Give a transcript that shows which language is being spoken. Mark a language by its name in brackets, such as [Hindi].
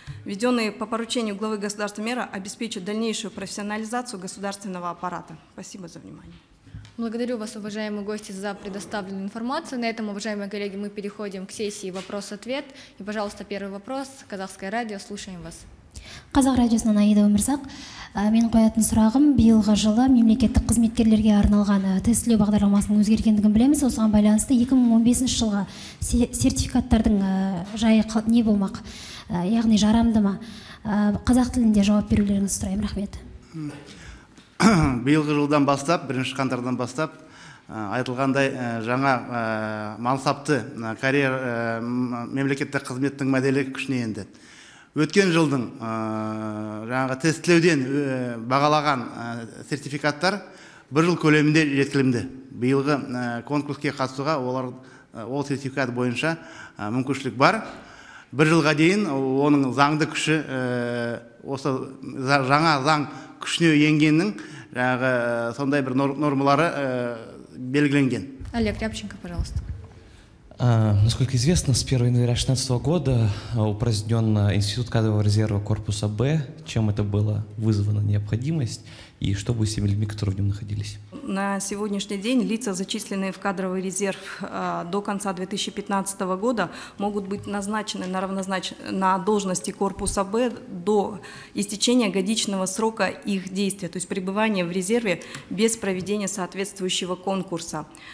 [Russian] введенные по поручению главы государства меры, обеспечат дальнейшую профессионализацию государственного аппарата. Спасибо за внимание. Благодарю вас, уважаемые гости, за предоставленную информацию. На этом, уважаемые коллеги, мы переходим к сессии «Вопрос-ответ». И, пожалуйста, первый вопрос. Казахское радио, слушаем вас. [Kazakh] Қазақ радиосынан Аида Өмірзақ. Мен қоятын сұрағым, биылғы жылы мемлекеттік қызметкерлерге арналған тестілеу бағдарламасының өзгергендігін білеміз. Осыған байланысты 2015 жылғы сертификаттардың жайы не болмақ, яғни жарамды ма? Қазақ тілінде жауап берулеріңізді сұраймын. Рахмет. Биылғы жылдан бастап, 1 қаңтардан бастап айтылғандай жаңа мансапты карьер мемлекеттік қызметтің моделі күшіне енді. Өткен жылдың жаңағы тестілеуден бағалаған сертификаттар бір жыл көлемінде жеткілімді. Биылғы конкурске қатысуға ол сертификат бойынша мүмкіншілік бар. Бір жылға дейін оның заңды күші, осы жаңа заң күшіне енгеннің жаңағы сондай бір нормалары белгіленген. [Russian] Олег Рябченко, пожалуйста. Насколько известно, с 1 января 2016 года упразднен институт кадрового резерва корпуса Б. Чем это было вызвано необходимость и что будет с теми людьми, которые в нем находились? На сегодняшний день лица, зачисленные в кадровый резерв до конца 2015 года, могут быть назначены на должности корпуса Б до истечения годичного срока их действия, то есть пребывания в резерве без проведения соответствующего конкурса.